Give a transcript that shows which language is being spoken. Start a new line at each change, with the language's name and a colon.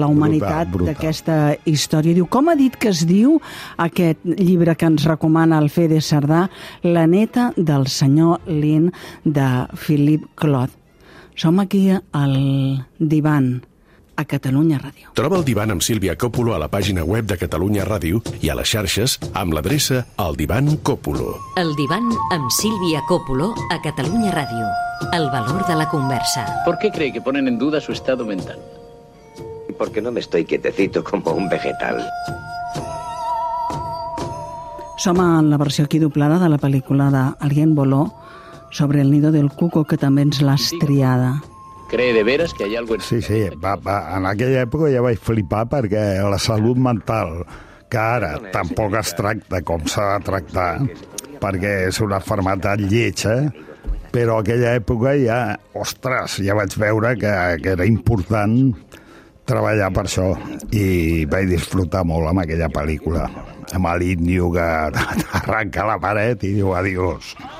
Catalan: la humanitat d'aquesta història... Diu, com ha dit que es diu aquest llibre que ens recomana el Fede Cerdà, La neta del senyor Lin, de Philippe Claude. Som aquí al divan. A Catalunya Ràdio. Troba el divan amb Sílvia Còpolo a la pàgina web de Catalunya Ràdio i a les xarxes amb l'adreça El Divan Còpolo. El divan amb Sílvia Còpolo a Catalunya Ràdio. El valor de la conversa.
Spanish: ¿Por qué cree que ponen en duda su estado mental? Porque no me estoy quietecito como un vegetal.
Catalan: Som en la versió aquí doblada de la pel·lícula d'Alguien voló sobre el nido del cuco, que també ens l'has triada.
Spanish: ¿Cree de veras que hay algo en...
Catalan: Sí, sí, va, en aquella època ja vaig flipar, perquè la salut mental, que ara tampoc es tracta com s'ha de tractar, perquè és una malaltia lleig, però aquella època ja, ostres, ja vaig veure que era important treballar per això, i vaig disfrutar molt amb aquella pel·lícula, amb l'Indio que arrenca la paret i diu adiós.